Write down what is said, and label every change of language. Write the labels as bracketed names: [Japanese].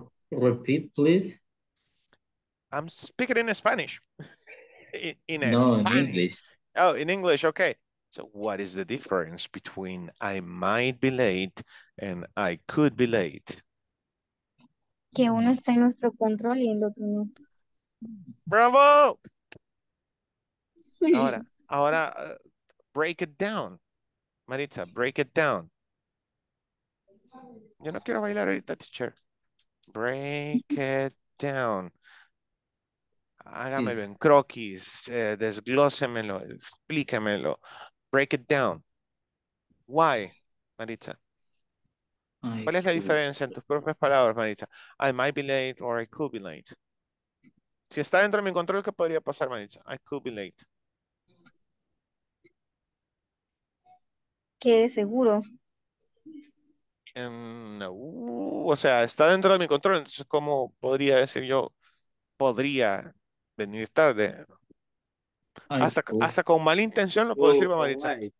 [English] Repeat, please. I'm speaking in Spanish. In English. Oh, in English, okay. So what is the difference between I might be late and I could be late? [Spanish] Que uno está en nuestro control y el otro no. ¡Bravo! Sí. [English] Ahora break it down. Maritza, break it down. [Spanish] Yo no quiero bailar ahorita, teacher. [English] Break it down. [Spanish] Hágame bien, croquis, desglósemelo, explícamelo, [English] break it down. Why, Maritza? [Spanish] ¿Cuál es la diferencia en tus propias palabras, Maritza? [English] I might be late or I could be late. [Spanish] Si está dentro de mi control, ¿qué podría pasar, Maritza? [English] I could be late. [Spanish] ¿Qué es seguro? No. O sea, está dentro de mi control, entonces, ¿cómo podría decir yo? Podría venir tarde. Hasta con mala intención lo puedo decir, Maritza.